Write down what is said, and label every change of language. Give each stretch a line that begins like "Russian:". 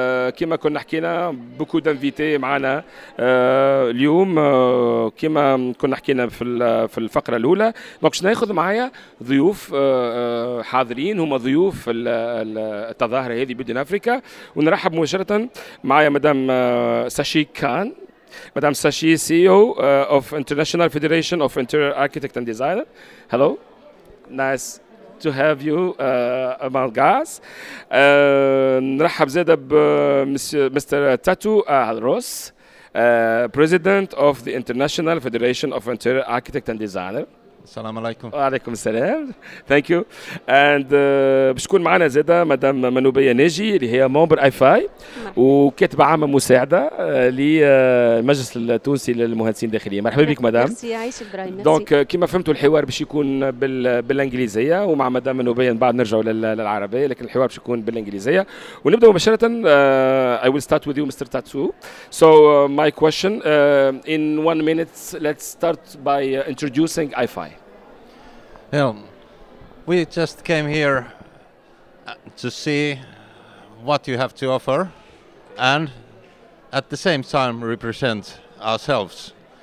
Arabic: كما كنا حكينا بوكو دانفيتي معنا اليوم كما كنا حكينا في الفقره الاولى. دونك شنو ناخذ معايا ضيوف حاضرين هما ضيوف التظاهره هذه بيلدن افريكا. ونرحب مباشره معايا مدام ساشي كان.
English: Madame Sashi, CEO of International Federation of Interior Architects and Designers. Hello. Nice to have you among us.
Arabic: نرحب زادا بمستر تاتو الروس,
English: President of the International Federation of Interior Architects and Designers.
Arabic: Assalamu alaikum. Wa alaikum salam.
English: Thank you.
Arabic: And بشكون معنا زادا مدام منوبية ناجي اللي هي ممبر اي فاي وكاتبة عامة مساعدة للمجلس التونسي للمهندسين الداخليين. مرحبا بك مدام. ميرسي عايش ابراهيم. دونك كما فهمتوا الحوار باش يكون بالانجليزية ومع مدام منوبية بعد نرجعوا للعربية, لكن الحوار باش يكون بالانجليزية. ونبدأ مباشرة.
English: I will start with you Mr. Tatsu. So my question in one minute, let's start by introducing i5. We just came here to see what you have to offer and at the same time represent ourselves.